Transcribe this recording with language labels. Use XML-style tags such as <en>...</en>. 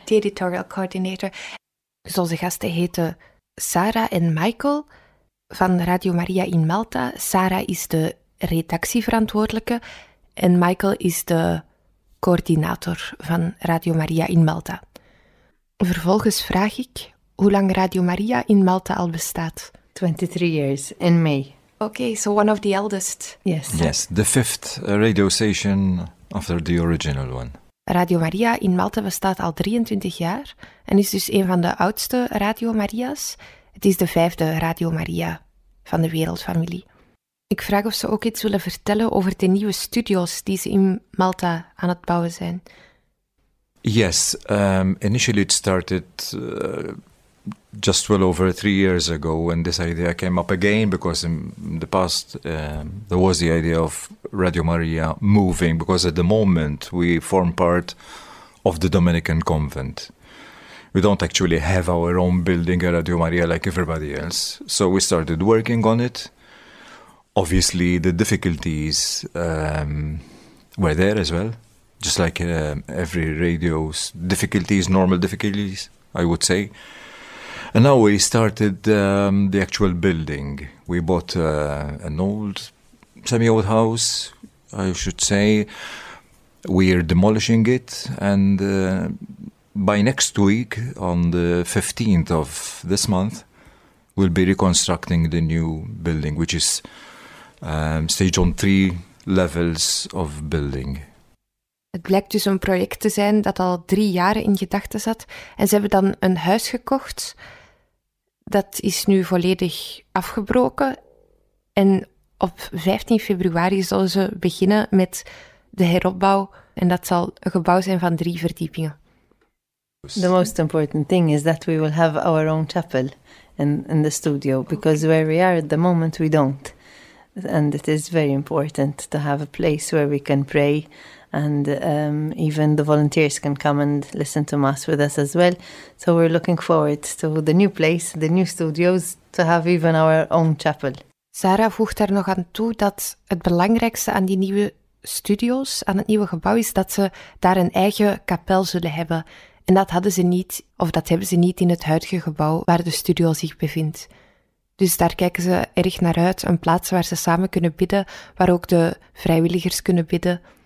<en>The editorial coordinator.</en> <nl>Dus onze gasten heten Sarah en Michael van Radio Maria in Malta. Sarah is de redactieverantwoordelijke en Michael is de coördinator van Radio Maria in Malta. Vervolgens vraag ik hoe lang Radio Maria in Malta al bestaat.</nl> <en>23 years in May. Okay, so one of the eldest. Yes. Yes, the fifth radio station after the original one.</en> <nl>Radio Maria in Malta bestaat al 23 jaar en is dus een van de oudste Radio Maria's. Het is de vijfde Radio Maria van de wereldfamilie. Ik vraag of ze ook iets willen vertellen over de nieuwe studio's die ze in Malta aan het bouwen zijn.</nl> <en>Yes, initially it started just well over 3 years ago when this idea came up again, because in the past there was the idea of Radio Maria moving, because at the moment we form part of the Dominican convent. We don't actually have our own building at Radio Maria like everybody else, so we started working on it. Obviously, the difficulties were there as well, just like every radio's difficulties, normal difficulties, I would say. And now we started the actual building. We bought an old, semi-old house, I should say. We are demolishing it, and by next week, on the 15th of this month, we'll be reconstructing the new building, which is stage on 3 levels of building.</en> <nl>Het blijkt dus een project te zijn dat al 3 jaren in gedachten zat. En ze hebben dan een huis gekocht. Dat is nu volledig afgebroken. En op 15 februari zullen ze beginnen met de heropbouw. En dat zal een gebouw zijn van 3 verdiepingen.</nl> <en>The most important thing is that we will have our own chapel in the studio. Because where we are at the moment, we don't. And it is very important to have a place where we can pray, and even the volunteers can come and listen to Mass with us as well. So we're looking forward to the new place, the new studios, to have even our own chapel.</en> <nl>Sarah voegt er nog aan toe dat het belangrijkste aan die nieuwe studios, aan het nieuwe gebouw, is dat ze daar een eigen kapel zullen hebben. En dat hadden ze niet, of dat hebben ze niet in het huidige gebouw waar de studio zich bevindt. Dus daar kijken ze erg naar uit, een plaats waar ze samen kunnen bidden, waar ook de vrijwilligers kunnen bidden.</nl>